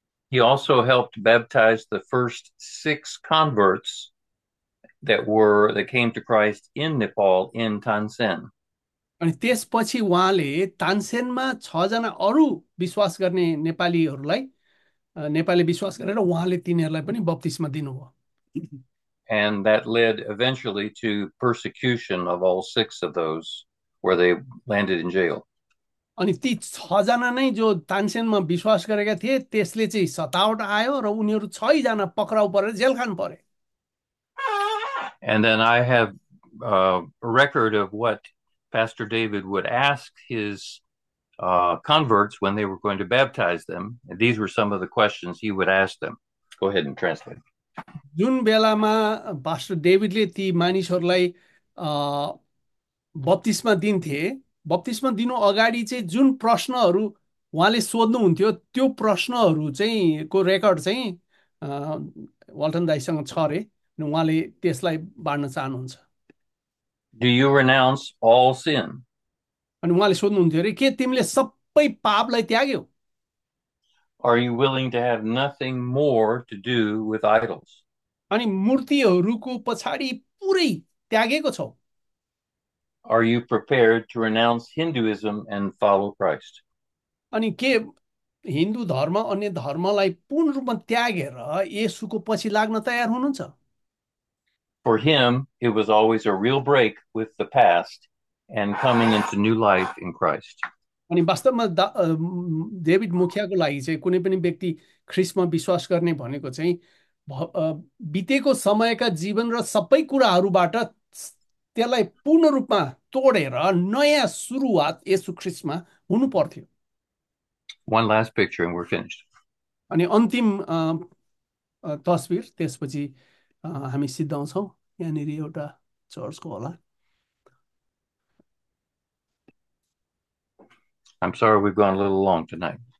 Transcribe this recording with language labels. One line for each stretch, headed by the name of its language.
English: He also helped baptize the first six converts that came to Christ in Nepal in Tansen.
Nepali: अनि त्यसपछि उहाँले तानसेनमा 6 जना अरू विश्वास गर्ने नेपालीहरूलाई, नेपाली विश्वास गरेर उहाँले तिनीहरूलाई पनि बप्तिस्मा दिनुभयो।
English: And that led eventually to persecution of all six of those, where they landed in jail.
Nepali: अनि ती 6 जना नै जो तानसेनमा विश्वास गरेका थिए त्यसले चाहिँ सतावट आयो र उनीहरू 6 जना पक्राउ परेर जेल खान परे।
English: And then I have a record of what Pastor David would ask his converts when they were going to baptize them. And these were some of the questions he would ask them. Go ahead and translate.
Nepali: जुन बेलामा pastor डेभिडले ती मानिसहरूलाई बत्तिस्मा दिन्थे, बत्तिस्मा दिनु अगाडि चाहिँ जुन प्रश्नहरू उहाँले सोध्नुहुन्थ्यो त्यो प्रश्नहरू चाहिँ को रेकर्ड चाहिँ वाल्टन दाईसँग छ रे, उहाँले त्यसलाई बाँड्न चाहनुहुन्छ।
English: Do you renounce all sin?
Nepali: अनि उहाँले सोध्नुहुन्थ्यो अरे के तिमीले सबै पापलाई त्याग्यौ?
English: Are you willing to have nothing more to do with idols?
Nepali: अनि मूर्तिहरूको पछाडि पुरै त्यागेको छौ?
English: Are you prepared to renounce Hinduism and follow Christ?
Nepali: अनि के हिन्दू धर्म अन्य धर्मलाई पूर्ण रूपमा त्यागेर येशूको पछि लाग्न तयार हुनुहुन्छ?
English: For him, it was always a real break with the past and coming into new life in Christ.
Nepali: अनि वास्तवमा डेभिड मुखियाको लागि चाहिँ कुनै पनि व्यक्ति ख्रिस्टमा विश्वास गर्ने भनेको चाहिँ बितेको समयका जीवन र सबै कुराहरूबाट त्यसलाई पूर्ण रूपमा तोडेर नयाँ सुरुवात येशू ख्रिस्टमा हुनु पर्थ्यो।
English: One last picture and we're finished.
Nepali: अनि अन्तिम तस्विर, त्यसपछि हामी सिद्धाउँछौँ यहाँनिर एउटा चर्चको होला।
English: I'm sorry we've gone a little long tonight.